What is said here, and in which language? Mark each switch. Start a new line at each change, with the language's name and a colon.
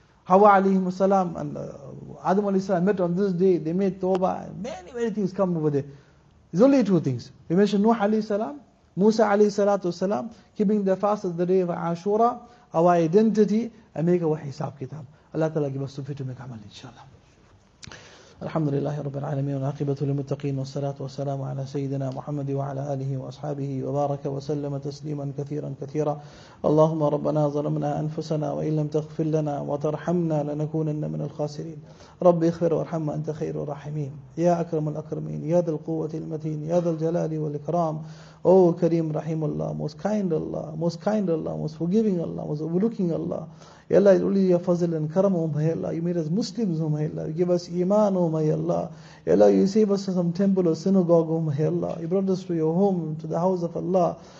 English: Hawa alayhi salam and Adam alayhi salam met on this day. They made tawbah. Many, many things come over there. There's only two things. We mentioned Nuh alayhi salam, Musa alayhi salatu wasalam, keeping the fast of the day of Ashura, our identity, and make our hisab kitab. Allah Ta'ala give us tawfiq to make amal, inshallah.
Arabic: الحمد لله رب العالمين والعاقبة للمتقين والصلاة والسلام على سيدنا محمد وعلى آله وأصحابه وبارك وسلم تسليما كثيرا كثيرا. اللهم ربنا ظلمنا أنفسنا وإن لم تغفر لنا وترحمنا لنكونن من الخاسرين. رب اغفر وارحم أنت خير الراحمين. يا أكرم الأكرمين، يا ذا القوة المتين، يا ذا الجلال والإكرام.
English: O Kareem Rahim Allah, most kind Allah, most kind Allah, most forgiving Allah, most overlooking Allah. Ya Allah, it's only your fazl and karam, O May Allah. You made us Muslims, O May Allah. You give us Iman, O May Allah. Ya Allah, you save us from some temple or synagogue, O May Allah. You brought us to your home, to the house of Allah.